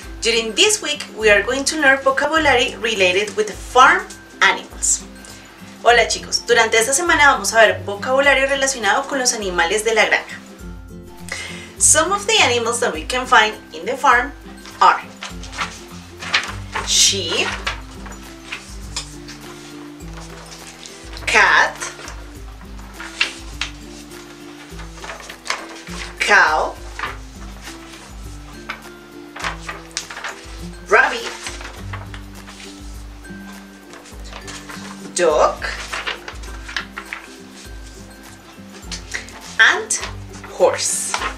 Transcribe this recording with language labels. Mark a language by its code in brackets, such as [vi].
[en] During this week, we are going to learn vocabulary related with farm animals. [es] Hola chicos, durante esta semana vamos a ver vocabulario relacionado con los animales de la granja. [en] Some of the animals that we can find in the farm are sheep, cat, cow, rabbit, dog, and horse.